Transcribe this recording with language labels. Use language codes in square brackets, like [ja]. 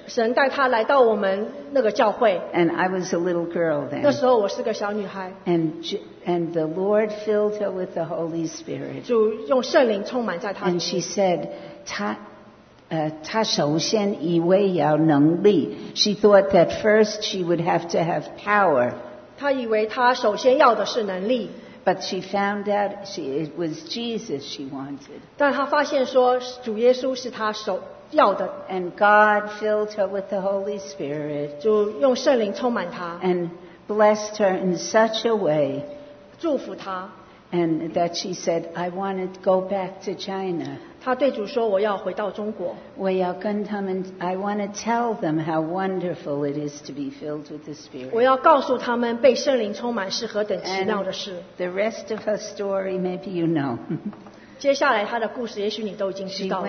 [zh] 神带他来到我们那个教会。 [en] And I was a little girl then. [zh] 那时候我是个小女孩。 [en] And the Lord filled her with the Holy Spirit. [zh] 主用圣灵充满在她里面。 [en] And she said, [zh] 她首先以为要能力。 [en] She thought that first she would have to have power. [zh] 她以为她首先要的是能力。 [en] But she found out it was Jesus she wanted. [zh] 但她发现说主耶稣是她首要的。 [en] And God filled her with the Holy Spirit. [zh] 主用圣灵充满她。 [en] And blessed her in such a way. [zh] 祝福她。 [en] And that she said, I want to go back to China. [zh] 她对主说我要回到中国。我要跟他们 [en] I want to tell them how wonderful it is to be filled with the Spirit. [zh] 我要告诉他们被圣灵充满是何等奇妙的事。 [en] And the rest of her story, maybe you know. [zh] 接下来她的故事也许你都已经知道了。